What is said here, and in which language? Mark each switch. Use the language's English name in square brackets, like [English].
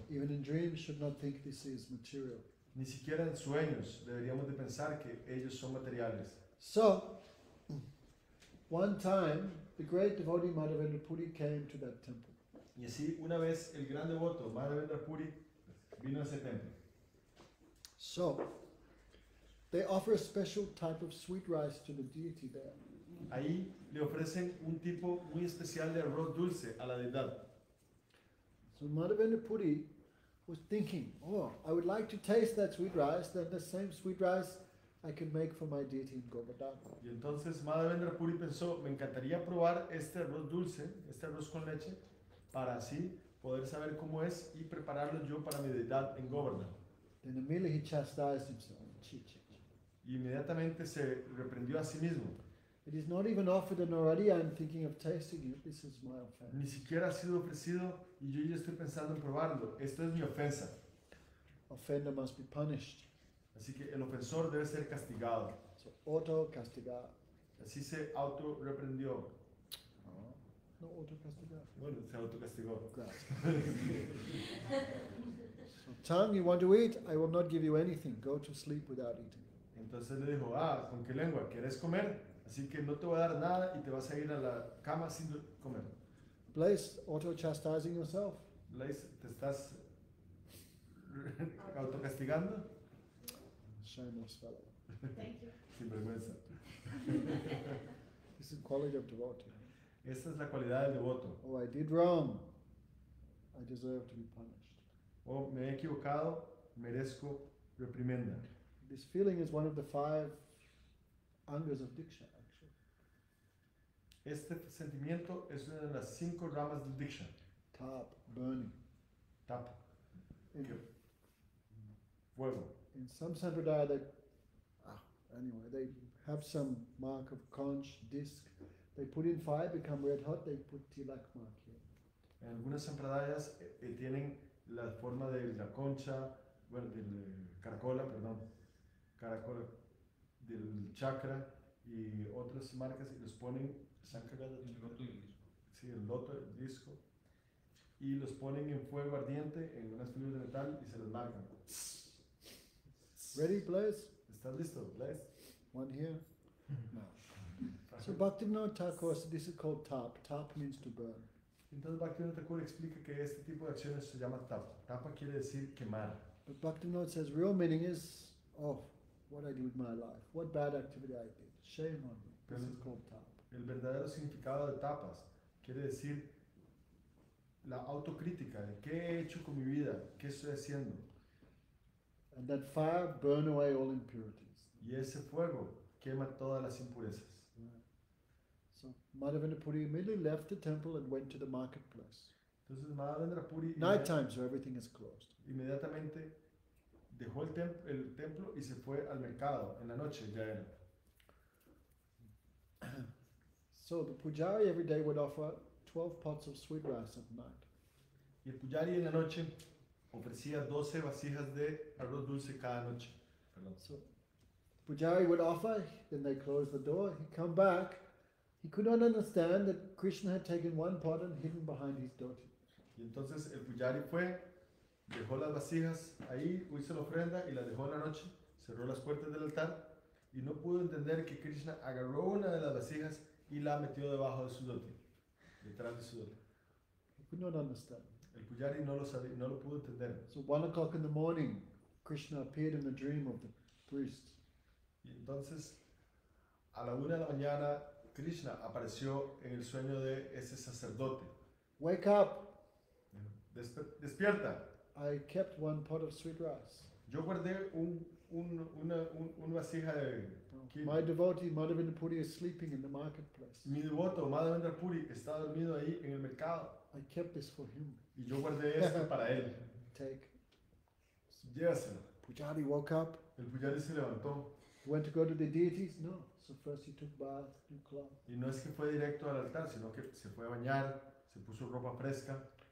[English] Even in dreams, should not think this is material. [Spanish] Ni siquiera en sueños deberíamos de pensar que ellos son materiales. [English] So, one time, the great devotee Madhavendra Puri came to that temple. [Spanish] Y así, una vez, el gran devoto Madhavendra Puri vino a ese templo. [English] So, they offer a special type of sweet rice to the deity there. [Spanish] Ahí le ofrecen un tipo muy especial de arroz dulce a la deidad. [English] So Madhavendra Puri was thinking, oh, I would like to taste that sweet rice, that the same sweet rice I could make for my deity in Govardhan. [Spanish] Y entonces Madhavendra Puri pensó, me encantaría probar este arroz dulce, este arroz con leche, para así poder saber cómo es y prepararlo yo para mi deidad en Govardhan. [English] Then immediately he chastised himself. [Spanish] Y inmediatamente se reprendió a sí mismo. [English] It is not even offered and already I'm thinking of tasting it. This is my offense. [Spanish] Ni siquiera ha sido ofrecido y yo ya estoy pensando en probarlo. Esto es mi ofensa. [English] Offender must be punished. [Spanish] Así que el ofensor debe ser castigado. So auto castigado. Así se auto reprendió. No auto castigado. Bueno, se auto castigó. Gracias. [English] So, tongue, you want to eat? I will not give you anything. Go to sleep without eating. [Spanish] Entonces le dijo, ah, ¿con qué lengua? ¿Quieres comer? Así que no te voy a dar nada y te vas a ir a la cama sin comer. [English] Blaise, auto-chastising yourself. [Spanish] Blaise, ¿te estás autocastigando? [English] Shameless fellow. Thank you. [Spanish] Sin vergüenza. [English] This is the quality of devotee. [Spanish] Esta es la cualidad del devoto. [English] Oh, I did wrong. I deserve to be punished. [Spanish] Oh, me he equivocado. Merezco reprimenda. [English] This feeling is one of the five angas of diksha, actually. [Spanish] Este sentimiento es una de las cinco ramas del diksha. [English] Tap, burning. Tap. [Spanish] Fuego. [English] In some sampradaya, they, anyway, they have some mark of conch, disc. They put in fire, become red hot, they put tilak mark here. [Spanish] En algunas sampradayas tienen la forma de la concha, bueno, del caracola, perdón. Caracol del chakra y otras marcas y los ponen el loto y el disco y los ponen en fuego ardiente en unas fibras de metal y se los marcan. [English] Ready, please. [Spanish] ¿Estás listo, [English] please? One here. No. So Bhaktivinoda Thakur, this is called tap. Tap means to burn. [Spanish] Entonces Bhaktivinoda Thakur explica que este tipo de acciones se llama tap. Tapa quiere decir quemar. [English] But Bhaktivinoda says real meaning is oh. What I did with my life, what bad activity I did, shame on me, this is called tap. [Spanish] El verdadero significado de tapas quiere decir la autocrítica de qué he hecho con mi vida, qué estoy haciendo. [English] And that fire burn away all impurities. [Spanish] Y ese fuego quema todas las impurezas. [English] Right. So Madhavendra Puri immediately left the temple and went to the marketplace. [Spanish] Entonces Madhavendra Puri [English] night time, so everything is closed. [Spanish] Inmediatamente dejó el templo y se fue al mercado en la noche, ya era. [English] So the pujari every day would offer 12 pots of sweet rice at night. [Spanish] Y el pujari en la noche ofrecía 12 vasijas de arroz dulce cada noche. Perdón. [English] So the pujari would offer, then they closed the door, he'd come back. He could not understand that Krishna had taken one pot and hidden behind his dhoti. [Spanish] Y entonces el pujari fue, dejó las vasijas ahí, hizo la ofrenda y la dejó en la noche, cerró las puertas del altar y no pudo entender que Krishna agarró una de las vasijas y la metió debajo de su dhoti, detrás de su dhoti. [English] He could not understand. [Spanish] El pujari no lo pudo entender. [English] So 1 o'clock in the morning, Krishna appeared in the dream of the priest. [Spanish] Y entonces, a la 1 de la mañana, Krishna apareció en el sueño de ese sacerdote. [English] Wake up! [Spanish] Despierta! [English] I kept one pot of sweet rice. [Spanish] Yo guardé una vasija de quinoa. [English] My devotee Madhavendra Puri is sleeping in the marketplace. [Spanish] Mi devoto Madhavendra Puri está dormido ahí en el mercado. [English] I kept this for him. [Spanish] Y yo guardé esto para él. [English] Take. [Spanish] Llévaselo. [English] Pujari woke up. [Spanish] El pujari se levantó. [English] Went to go to the deities? No. So first he took bath, new cloth. [Spanish] Y no es que fue directo al altar, sino que se fue a bañar, se puso ropa fresca.